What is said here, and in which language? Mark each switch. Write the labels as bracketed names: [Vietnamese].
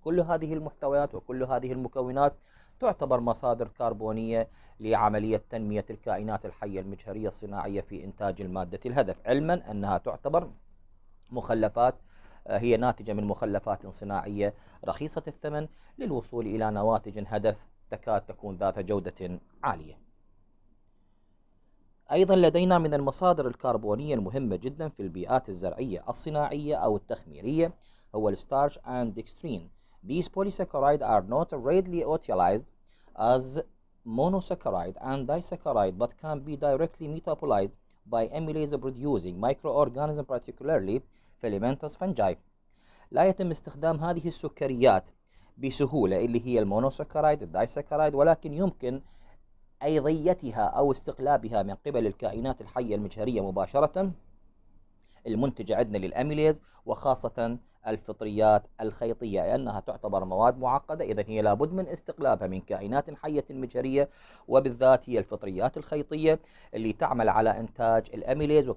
[Arabic] كل هذه المحتويات وكل هذه المكونات تعتبر مصادر كربونية لعملية تنمية الكائنات الحية المجهرية الصناعية في إنتاج المادة الهدف، علما أنها تعتبر مخلفات هي ناتجة من مخلفات صناعية رخيصة الثمن للوصول إلى نواتج هدف تكاد تكون ذات جودة عالية. أيضا لدينا من المصادر الكربونية المهمة جدا في البيئات الزرعية الصناعية أو التخميرية هو الستارش and dextrin. [English] These polysaccharides are not readily utilized as monosaccharide and disaccharide, but can be directly metabolized by amylase producing microorganisms, particularly filamentous fungi. [Arabic] لا يتم استخدام هذه السكريات بسهولة اللي هي المونوسكرايد الدايسكرايد، ولكن يمكن أيضيتها أو استقلابها من قبل الكائنات الحية المجهرية مباشرة المنتجة عندنا للأميليز، وخاصة الفطريات الخيطية لأنها تعتبر مواد معقدة، إذن هي لابد من استقلابها من كائنات حية مجهرية، وبالذات هي الفطريات الخيطية اللي تعمل على إنتاج الأميليز.